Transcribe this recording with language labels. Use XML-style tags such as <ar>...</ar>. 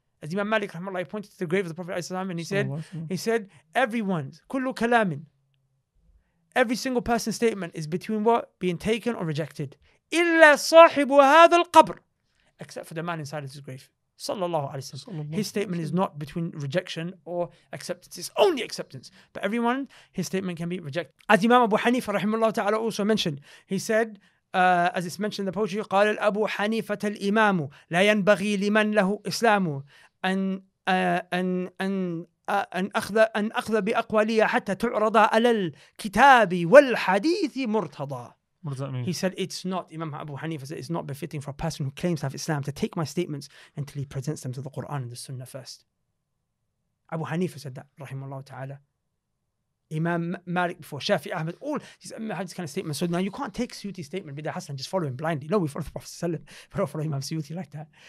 <en>As Imam Malik rahmatullah pointed to the grave of the Prophet and he said, everyone,</en> <ar>kullu kalamin,</ar> <en>every single person's statement is between what? Being taken or rejected.</en> <ar>إِلَّا صَاحِبُ هَذَا الْقَبْرِ</ar> <en>except for the man inside his grave. Sallallahu alayhi wa sallam. His statement is not between rejection or acceptance. It's only acceptance. But everyone, his statement can be rejected. As Imam Abu Hanifa rahimahullah ta'ala also mentioned, he said, as it's mentioned in the poetry,</en> <ar>قال الأبو حنيفة الإمام لا ينبغي لمن له إسلام أن أخذ بأقوالي حتى تعرض على الكتاب والحديث مرتضى.</ar> <en>What does that mean? He said, it's not, Imam Abu Hanifa said, it's not befitting for a person who claims to have Islam to take my statements until he presents them to the Quran and the Sunnah first. Abu Hanifa said that, rahimahullah ta'ala. Imam Malik before, Shafi Ahmed, all these hadith kind of statements. So now you can't take Suyuti's statement, bidah hasan, just follow him blindly. No, we follow the Prophet sallallahu alayhi wa sallam. We don't follow Imam Suyuti like that.</en>